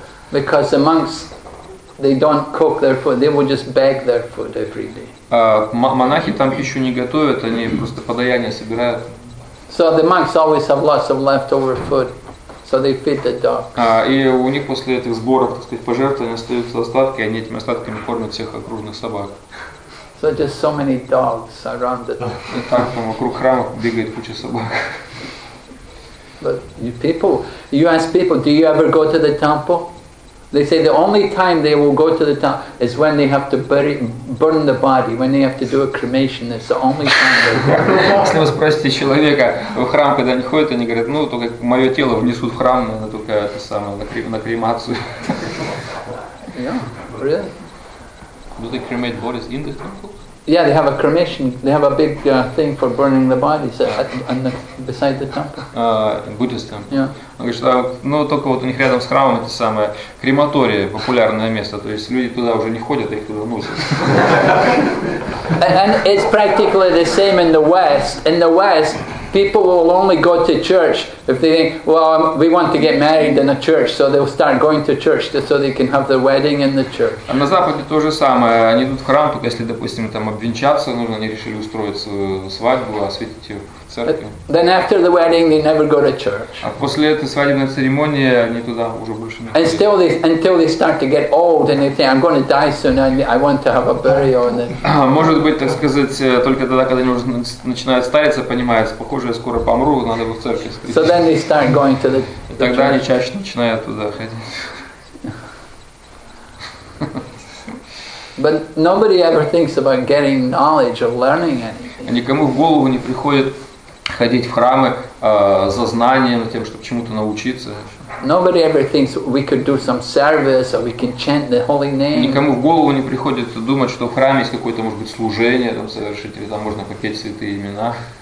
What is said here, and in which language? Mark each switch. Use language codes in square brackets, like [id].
[en] Because the monks, they don't cook their food. They will just beg their food every day. [ru] Монахи там пищу не готовят, они просто подаяние собирают. [en] So the monks always have lots of leftover food, so they feed the dogs. [ru] И у них после этих сборов, так сказать, пожертвований остаются остатки, и они этими остатками кормят всех окружных собак. [en] So just so many dogs around the. [ru] И так там вокруг храма бегает куча собак. [en] But you ask people, do you ever go to the temple? They say the only time they will go to the temple is when they have to burn the body, when they have to do a cremation. That's the only time. [ru] Если вы спросите человека в храм, когда они ходят, они говорят, ну только мое тело внесут в храм, но только это самое на кремацию. [en] Yeah, really? Do they cremate bodies in the temple? Yeah, they have a cremation. They have a big thing for burning the bodies beside the temple. [ru] Буддистам. [en] Yeah. [ru] Он говорит, что ну, только вот у них рядом с храмом это самое крематория, популярное место. То есть люди туда уже не ходят, а их туда носят. [en] And it's practically the same in the West. In the West, people will only go to church if they think, well, we want to get married in a church, so they'll start going to church just so they can have their wedding in the church. [ru] А на Западе то же самое. Они идут в храм, только если, допустим, там обвенчаться нужно, они решили устроить свою свадьбу, осветить ее. [en] But then after the wedding, they never go to church. [ru] А после этой свадебной церемонии они туда уже больше не ходят. [en] And still until they start to get old and they think I'm going to die soon and I want to have a burial. And then. [ru] Может быть, так сказать, только тогда, когда они уже начинают стариться, понимается, похоже, я скоро помру, надо бы в церковь сходить. [en] So then they start going to the. [ru] И тогда они чаще начинают туда ходить. [en] But nobody ever thinks about getting knowledge or learning anything. [ru] Никому в голову не приходит ходить в храмы за знанием, тем, чтобы чему-то научиться. [en] Nobody ever thinks we could do some service or we can chant the holy name. [ru] Никому в голову не приходит думать, что в храме есть какое-то, может быть, служение там совершить или там можно попеть святые имена.